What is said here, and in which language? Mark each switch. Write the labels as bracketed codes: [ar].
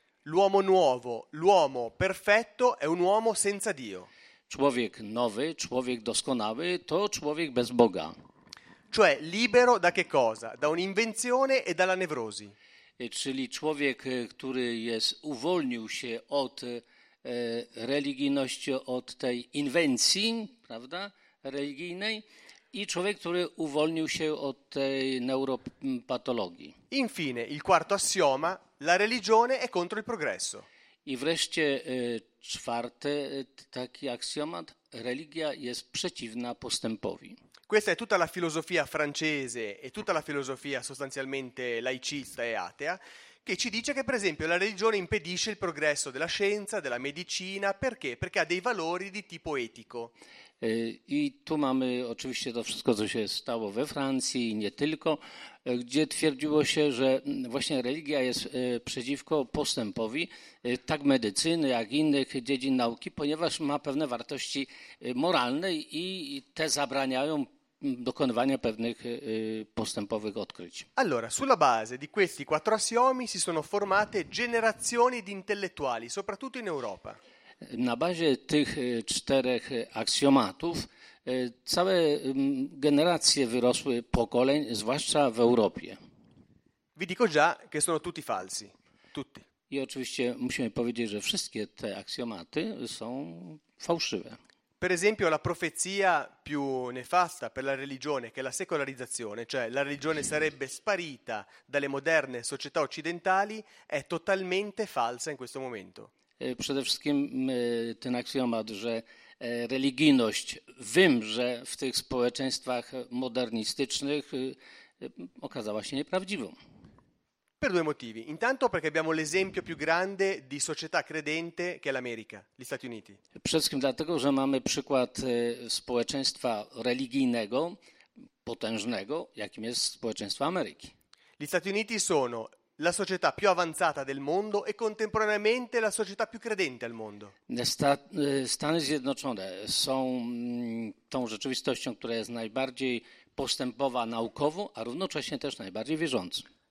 [it] L'uomo nuovo, l'uomo perfetto è un uomo senza Dio. [pl] Człowiek nowy, człowiek doskonały, to człowiek bez Boga. [it] Cioè libero da che cosa? Da un'invenzione e dalla nevrosi. [pl] Czyli człowiek, który jest uwolnił się od religijności, od tej inwencji, prawda, religijnej, i człowiek, który uwolnił się od tej neuropatologii. [it] Infine, il quarto assioma, la religione è contro il progresso. [pl] I wreszcie czwarty taki aksjomat, religia jest przeciwna postępowi. [it] Questa è tutta la filosofia francese e tutta la filosofia sostanzialmente laicista e atea, che ci dice che per esempio la religione impedisce il progresso della scienza, della medicina, perché? Perché ha dei valori di tipo etico. [pl] I tu mamy oczywiście to wszystko, co się stało we Francji i nie tylko, gdzie twierdziło się, że właśnie religia jest przeciwko postępowi tak medycyny, jak i innych dziedzin nauki, ponieważ ma pewne wartości moralne i te zabraniają dokonywania pewnych postępowych odkryć. [it] Allora, sulla base di questi quattro assiomi si sono formate generazioni di intellettuali, soprattutto in Europa. [pl] Na bazie tych czterech aksjomatów całe generacje wyrosły pokoleń, zwłaszcza w Europie. [it] Vi dico già che sono tutti falsi. Tutti. [pl] I oczywiście musimy powiedzieć, że wszystkie te aksjomaty są fałszywe. [it] Per esempio la profezia più nefasta per la religione, che è la secolarizzazione, cioè la religione sarebbe sparita dalle moderne società occidentali, è totalmente falsa in questo momento. [pl] Przede wszystkim ten aksjomat, że religijność wymrze w tych społeczeństwach modernistycznych, okazała się nieprawdziwą. [it] Per due motivi. Intanto perché abbiamo l'esempio più grande di società credente che è l'America, gli Stati Uniti. [pl] Przede wszystkim dlatego, że mamy przykład społeczeństwa religijnego, potężnego, jakim jest społeczeństwo Ameryki. [it] Gli Stati Uniti sono la società più avanzata del mondo e contemporaneamente la società più credente al mondo. [pl] Stany Zjednoczone są tą rzeczywistością, która jest najbardziej postępowa naukowo, a równocześnie też najbardziej wierząca.